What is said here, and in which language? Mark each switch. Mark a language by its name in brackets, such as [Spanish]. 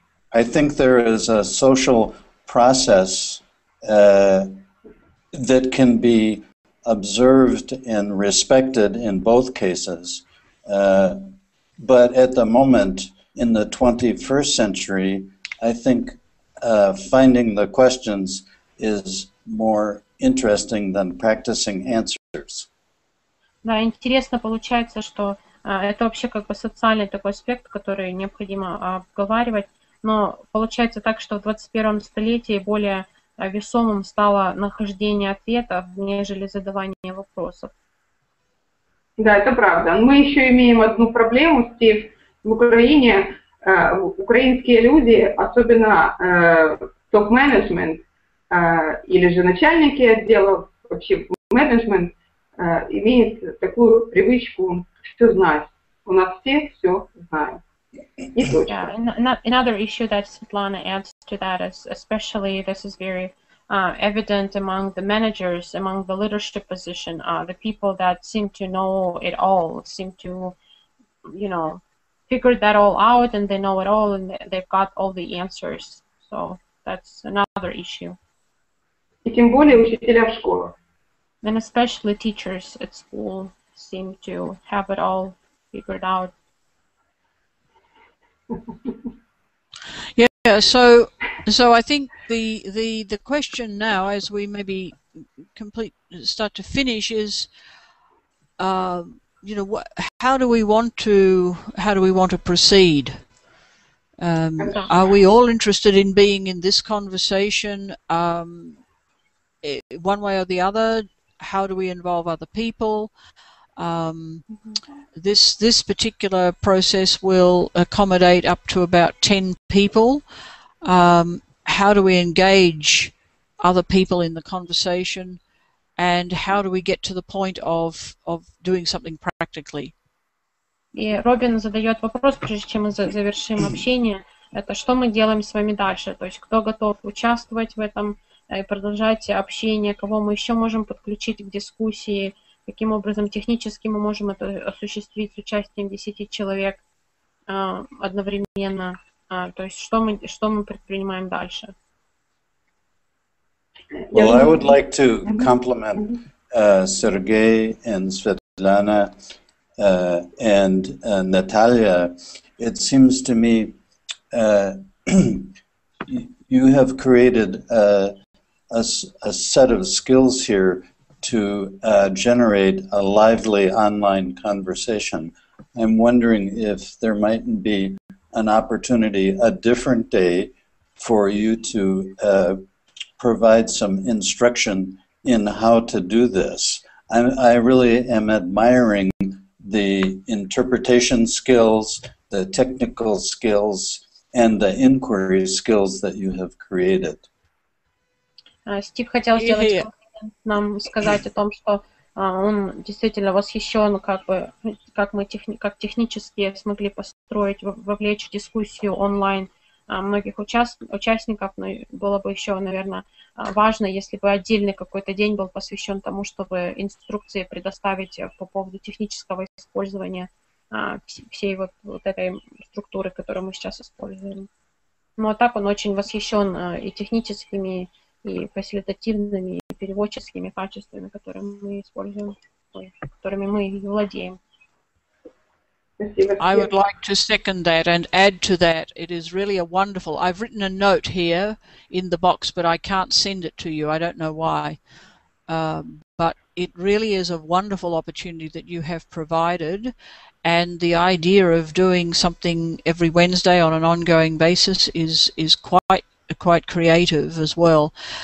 [English] I think there is a social process that can be observed and respected in both cases, but at the moment in the 21st century, I think finding the questions is more interesting than practicing answers. [Russian] Да, интересно получается, что это вообще как бы социальный такой аспект, который необходимо обговаривать, но получается так, что в 21-м столетии более весомым стало нахождение ответов, нежели задавание вопросов. Да, это правда. Мы еще имеем одну проблему, Стив. В Украине украинские люди, особенно топ-менеджмент или же начальники отделов, вообще менеджмент, имеет такую привычку все знать. У нас все знают. [English] Yeah, another issue that Svetlana adds to that is especially this is very evident among the managers, among the leadership position, the people that seem to know it all, seem to, you know, figure that all out and they know it all and they've got all the answers. So that's another issue. [Russian] И тем более учителя в школах. [English] And especially teachers at school seem to have it all figured out. Yeah. So I think the question now, as we maybe start to finish, is, you know, how do we want to proceed? Are we all interested in being in this conversation, one way or the other? How do we involve other people? This particular process will accommodate up to about 10 people. How do we engage other people in the conversation, and how do we get to the point of doing something practically? [Russian] И Робин задает вопрос, прежде чем мы завершим общение, это что мы делаем с вами дальше, то есть кто готов участвовать в этом и продолжать общение, кого мы еще можем подключить к дискуссии, каким образом технически мы можем это осуществить с участием 10 человек одновременно, то есть что мы предпринимаем дальше. [English] Well, I would like to compliment Sergey and Svetlana and Natalia. It seems to me you have created a set of skills here to generate a lively online conversation. I'm wondering if there mightn't be an opportunity a different day for you to provide some instruction in how to do this. I really am admiring the interpretation skills, the technical skills, and the inquiry skills that you have created. [Russian] Стив хотел сделать нам сказать о том, что он действительно восхищен, как технически смогли построить, вовлечь дискуссию онлайн многих участников, но было бы еще, наверное, важно, если бы отдельный какой-то день был посвящен тому, чтобы инструкции предоставить по поводу технического использования всей вот этой структуры, которую мы сейчас используем. Ну, а так он очень восхищен и техническими, и фасилитативными, и переводческими качествами, которыми мы используем, которыми мы владеем. [English] I would like to second that and add to that. It is really a wonderful. I've written a note here in the box, but I can't send it to you. I don't know why. But it really is a wonderful opportunity that you have provided. And the idea of doing something every Wednesday on an ongoing basis is quite creative as well.